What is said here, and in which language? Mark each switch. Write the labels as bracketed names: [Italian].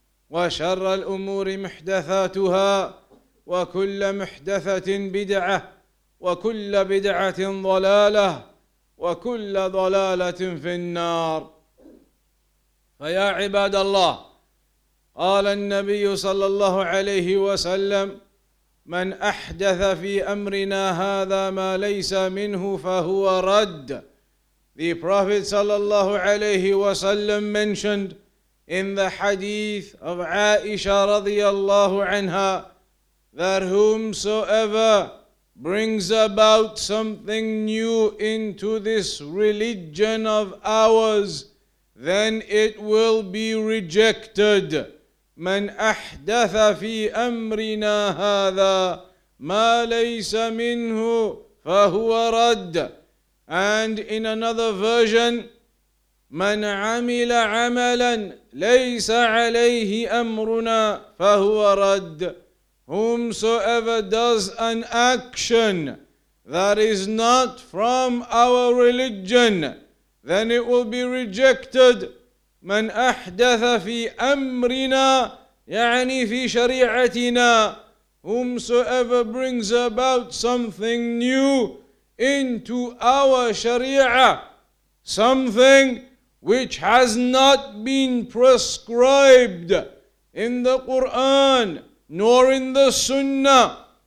[Arabic] وشر الأمور محدثاتها وكل محدثة بدعة وكل بدعة ضلالة وكل ضلالة في النار فيا عباد الله قال النبي صلى الله عليه وسلم من أحدث في أمرنا هذا ما ليس منه فهو رد. [English] The Prophet sallallahu alayhi wa sallam mentioned in the hadith of Aisha radiyallahu anha that whomsoever brings about something new into this religion of ours, then it will be rejected. [Arabic] من أحدث في أمرنا هذا ما ليس منه فهو رد. [English] And in another version, [Arabic] من عمل عملا ليس عليه أمرنا فهو رد. [English] Whomsoever does an action that is not from our religion, then it will be rejected. [Arabic] من أحدث في أمرنا يعني في شريعتنا. [English] Whomsoever brings about something new into our Sharia, something which has not been prescribed in the Quran nor in the Sunnah.